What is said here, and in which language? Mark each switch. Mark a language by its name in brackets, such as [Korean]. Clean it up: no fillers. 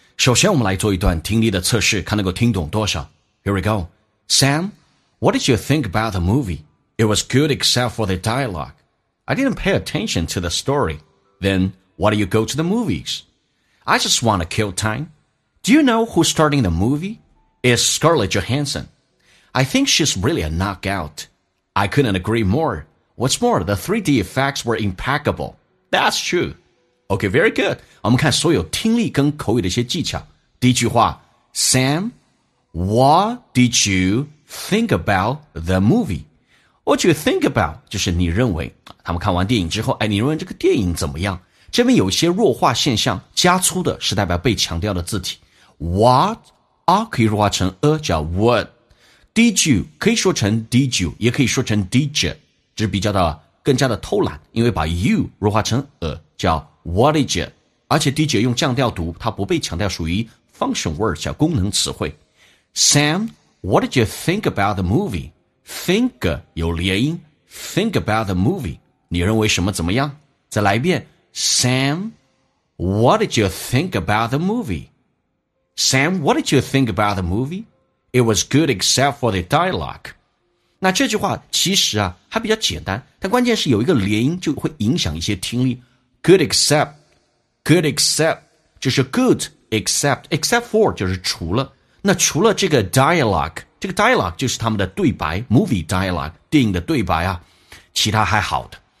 [Chinese] 首先我们来做一段听力的测试，看能够听懂多少。 [English] Here we go. Sam, what did you think about the movie? It was good except for the dialogue. I didn't pay attention to the story. Then, why do you go to the movies? I just want to kill time. Do you know who's starting the movie? It's Scarlett Johansson. I think she's really a knockout. I couldn't agree more. What's more, the 3D effects were impeccable. That's true. Okay, very good. [Chinese] 我们看所有听力跟口语的一些技巧。第一句话 [English] ,Sam, what did you think about the movie? What did you think about? [Chinese] 就是你认为他们看完电影之后，哎，你认为这个电影怎么样？这边有一些弱化现象，加粗的是代表被强调的字体。 What, 可以弱化成叫 what. Did you, 可以说成 did you, 也可以说成 did you, 这是比较的更加的偷懒，因为把 you 弱化成叫 [English] what is it， [Chinese] 而且 did you 用降调读，它不被强调，属于 function word 叫功能词汇。 [English] Sam, what did you think about the movie? Think 有连音， think about the movie， [Chinese] 你认为什么怎么样？再来一遍， [English] Sam, what did you think about the movie? Sam, what did you think about the movie? It was good except for the dialogue。 [Chinese] 那这句话其实啊还比较简单，但关键是有一个连音就会影响一些听力。 Good except, 就是 good, except for, 就是除了。那除了这个 dialogue 就是他们的对白 ,movie dialogue, 电影的对白啊，其他还好的。